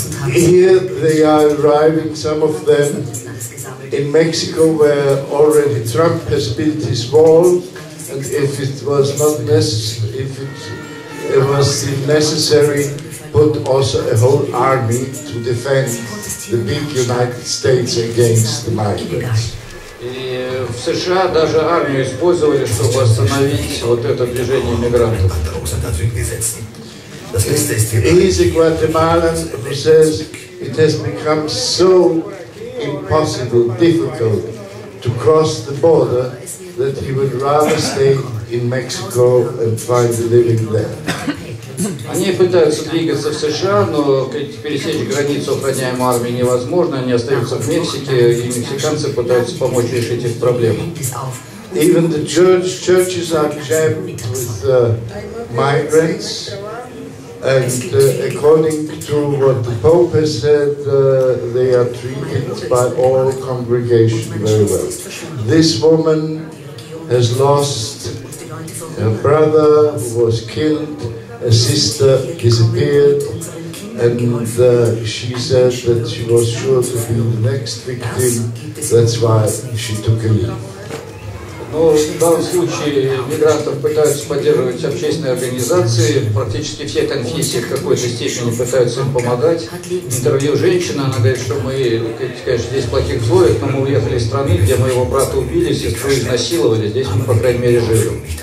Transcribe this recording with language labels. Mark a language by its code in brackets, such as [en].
[en] Here they are arriving, some of them, in Mexico, where already Trump has built his wall, and if it was necessary, put also a whole army to defend the big United States against the migrants. [ru] И в США даже армию использовали, чтобы остановить вот это движение мигрантов. [en] He's a Guatemalan who says it has become so impossible, difficult to cross the border that he would rather stay in Mexico and find a living there. [ru] Они пытаются двигаться в США, но пересечь границу охраняемой армии невозможно. Они остаются в Мексике, и мексиканцы пытаются помочь решить их проблему. [en] Even the churches are jammed with migrants. And according to what the Pope has said, they are treated by all congregations very well. This woman has lost her brother, who was killed, a sister disappeared, and she said that she was sure to be the next victim, that's why she took a leave. [ru] Но в данном случае мигрантов пытаются поддерживать общественные организации, практически все конфессии в какой-то степени пытаются им помогать. Интервью женщина, она говорит, что мы, конечно, здесь в плохих условиях, но мы уехали из страны, где моего брата убили, сестру изнасиловали, здесь мы, по крайней мере, живем.